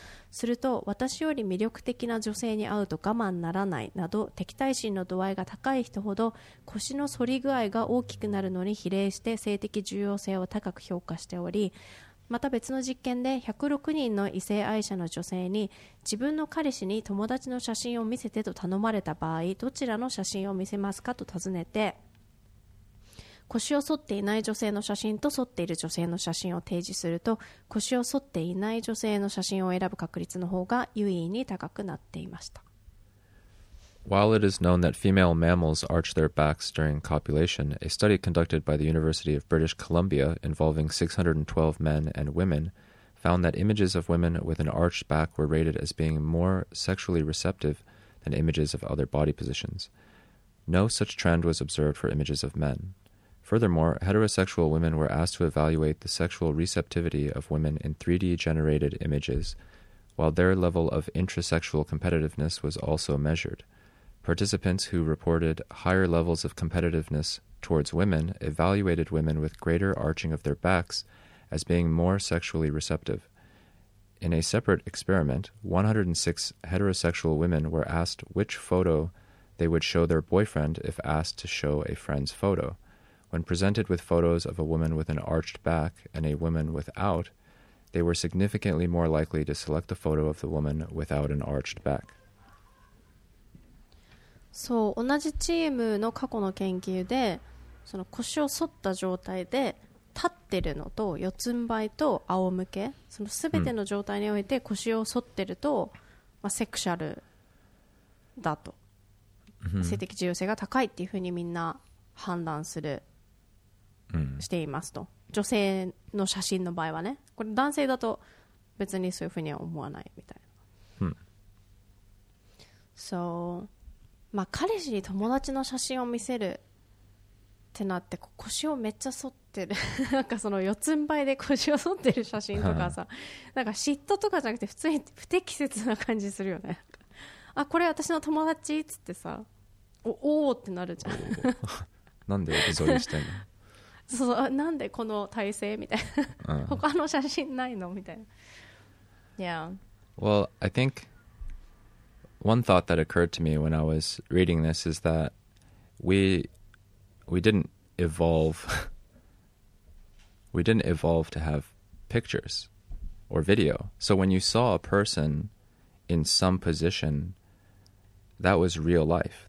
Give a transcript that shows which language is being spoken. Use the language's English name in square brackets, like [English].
[Japanese] すると私より魅力的な女性に会うと我慢ならないなど敵対心の度合いが高い人ほど腰の反り具合が大きくなるのに比例して性的重要性を高く評価しており、また別の実験で106人の異性愛者の女性に自分の彼氏に友達の写真を見せてと頼まれた場合どちらの写真を見せますかと尋ねて、腰を反っていない女性の写真と反っている女性の写真を提示すると腰を反っていない女性の写真を選ぶ確率の方が優位に高くなっていました。 [English] While it is known that female mammals arch their backs during copulation, a study conducted by the University of British Columbia involving 612 men and women found that images of women with an arched back were rated as being more sexually receptive than images of other body positions. No such trend was observed for images of men. Furthermore, heterosexual women were asked to evaluate the sexual receptivity of women in 3D generated images, while their level of intrasexual competitiveness was also measured. Participants who reported higher levels of competitiveness towards women evaluated women with greater arching of their backs as being more sexually receptive. In a separate experiment, 106 heterosexual women were asked which photo they would show their boyfriend if asked to show a friend's photo. When presented with photos of a woman with an arched back and a woman without, they were significantly more likely to select the photo of the woman without an arched back. [Japanese] そう、同じチームの過去の研究でその腰を反った状態で立ってるのと四つん這いと仰向け、その全ての状態において腰を反ってると、まあ、セクシャルだと、mm-hmm. 性的重要性が高いっていうふうにみんな判断する、mm-hmm. していますと。女性の写真の場合はね、これ男性だと別にそういうふうには思わないみたいな、そう、mm-hmm. so,まあ、彼氏に友達の写真を見せるってなって腰をめっちゃ反ってるなんかその四つん這いで腰を反ってる写真とかさなんか嫉妬とかじゃなくて普通に不適切な感じするよねあ、これ私の友達っつってさ、おおーってなるじゃんなんでエピソードしてんのそう、なんでこの体勢みたいな他の写真ないのみたいな。 [English] Yeah. Well, I thinkOne thought that occurred to me when I was reading this is that we didn't evolve to have pictures or video. So when you saw a person in some position, that was real life.